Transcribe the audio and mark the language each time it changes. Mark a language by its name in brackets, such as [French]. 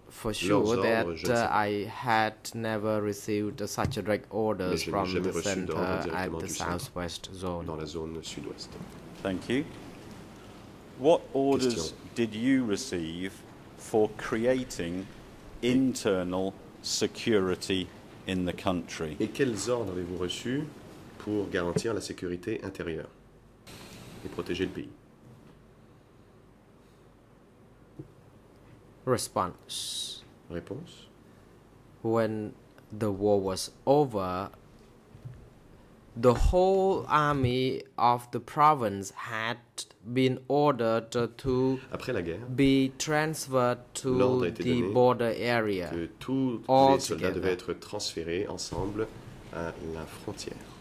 [English] for sure that I had never received such direct orders from the center at the southwest zone. [French] Dans la zone sud-ouest. [English] Thank you. What orders Question. Did you receive for creating internal security in the country? [French] Et quels ordres avez-vous reçus pour garantir la sécurité intérieure et protéger le pays? [English] Response. [French] Réponse. [English] When the war was over, the whole army of the province had been ordered to [French] Après la guerre, [English] be transferred to the border area. [French] Que tous les soldats devaient être transférés ensemble à la frontière.